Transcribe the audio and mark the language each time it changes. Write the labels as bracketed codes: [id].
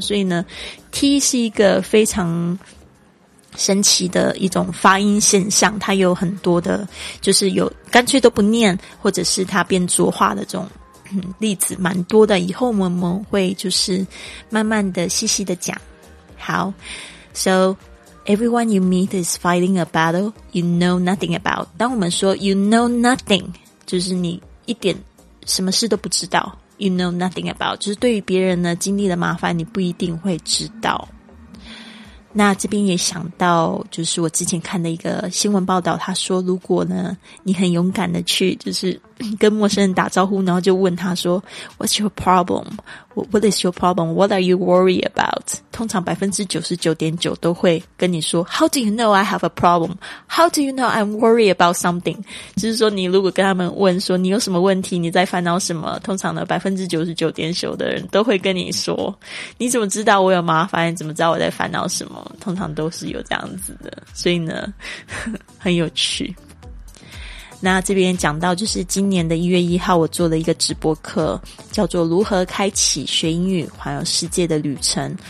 [zh] 所以呢 t 是一个非常神奇的一种发音现象，它有很多的就是有干脆都不念，或者是它变浊化的这种例子蛮多的，以后我们会就是慢慢的细细的讲。好， [en] So everyone you meet is fighting a battle you know nothing about。 [zh] 当我们说 [en] you know nothing， [zh] 就是你一点什么事都不知道， [en] you know nothing about [zh] 就是对于别人呢经历的麻烦你不一定会知道。那这边也想到就是我之前看的一个新闻报道，他说如果呢你很勇敢的去就是跟陌生人打招呼，然后就问他说 [en] What's your problem? What is your problem? What are you worried about? [zh] 通常 99.9% 都会跟你说 [en] How do you know I have a problem? How do you know I'm worried about something? [zh] 就是说你如果跟他们问说你有什么问题，你在烦恼什么，通常呢 99.9% 的人都会跟你说你怎么知道我有麻烦，你怎么知道我在烦恼什么，通常都是有这样子的，所以呢很有趣。那这边讲到就是今年的1月1号我做了一个直播课，叫做如何开启学英语环游世界的旅程。